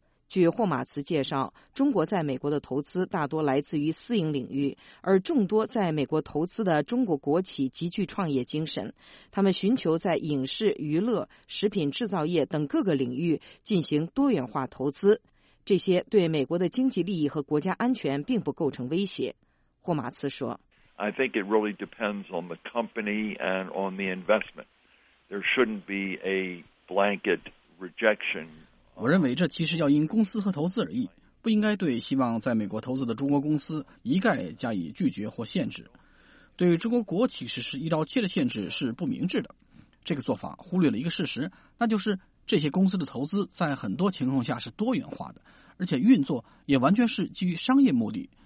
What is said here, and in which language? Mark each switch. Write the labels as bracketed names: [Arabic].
[Chinese] 据霍马茨介绍，中国在美国的投资大多来自于私营领域，而众多在美国投资的中国国企极具创业精神，他们寻求在影视、娱乐、食品制造业等各个领域进行多元化投资，这些对美国的经济利益和国家安全并不构成威胁。霍马茨说， [English] I think it really depends on the company and on the investment. There shouldn't be a blanket rejection. [Chinese] 我认为这其实要因公司和投资而异，不应该对希望在美国投资的中国公司一概加以拒绝或限制。对中国国企实施一刀切的限制是不明智的，这个做法忽略了一个事实，那就是这些公司的投资在很多情况下是多元化的，而且运作也完全是基于商业目的。